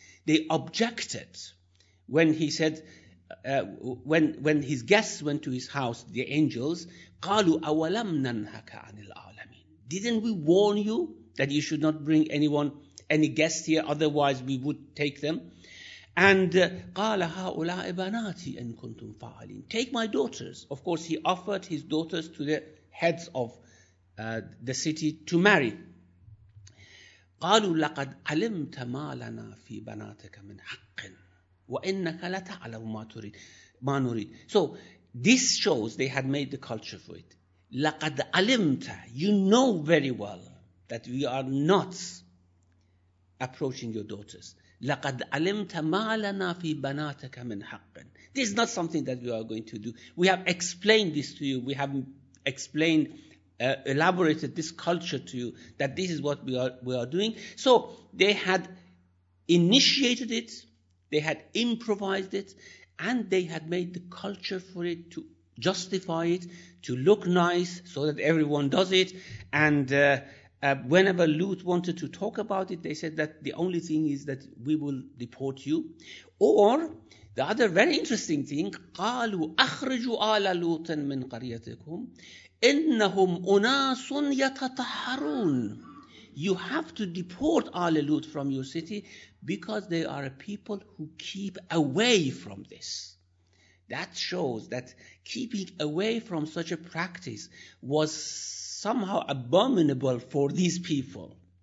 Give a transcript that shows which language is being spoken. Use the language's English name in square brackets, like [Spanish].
[English] they objected when he said, when his guests went to his house, the angels, [Arabic] قالوا أولم ننهك عن العالمين. [English] Didn't we warn you that you should not bring anyone, any guest here, otherwise we would take them? And [Arabic] قال هؤلاء بناتي إن كنتم فاعلين. [English] Take my daughters. Of course, he offered his daughters to the heads of the city to marry. [Arabic] قالوا لقد علمت ما لنا في بناتك من حق وإنك لا تعلم ما تريد ما نريد. [English] So this shows they had made the culture for it. [Arabic] لقد علمت. [English] You know very well that we are not approaching your daughters. [Arabic] لقد علمت ما لنا في بناتك من حق. [English] This is not something that we are going to do. We have explained this to you. We have explained, elaborated this culture to you, that this is what we are doing. So they had initiated it, they had improvised it, and they had made the culture for it to justify it, to look nice so that everyone does it. And whenever Lut wanted to talk about it, they said that the only thing is that we will deport you. Or the other very interesting thing, [Arabic] قالوا أخرجوا آل لوط من قريتكم إنهم أناس يتطهرون. [English] You have to deport آل لوط from your city because they are a people who keep away from this. That shows that keeping away from such a practice was somehow abominable for these people.